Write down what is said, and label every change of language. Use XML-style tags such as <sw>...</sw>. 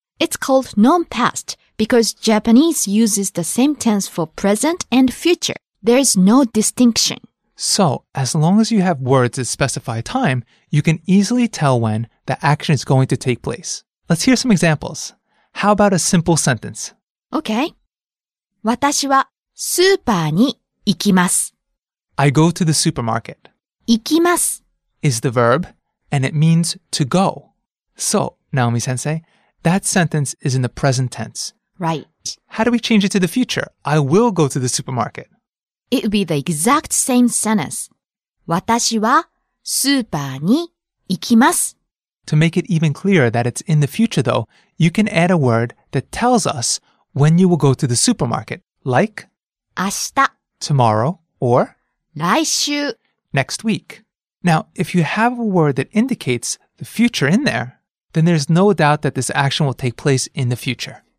<en>It's called non-past because Japanese uses the same tense for present and future. There's no distinction. So, as long as you have words that specify time, you can easily tell when the action is going to take place. Let's hear some examples. How about a simple sentence? Okay.</en> <ja>私はスーパーに行きます。</ja> <en>I go to the supermarket.</en> <ja>行きます</ja> <en>is the verb, and it means to go. So, Naomi-sensei, that sentence is in the present tense. Right. How do we change it to the future? I will go to the supermarket. It would be the exact same sentence.</en> <ja>私はスーパーに行きます.</ja> <en>To make it even clearer that it's in the future, though, you can add a word that tells us when you will go to the supermarket, like</en> <ja>明日</ja> <en>tomorrow, or</en> <ja>来週</ja> <en>next week. Now, if you have a word that indicates the future in there, then there's no doubt that this action will take place in the future.</en>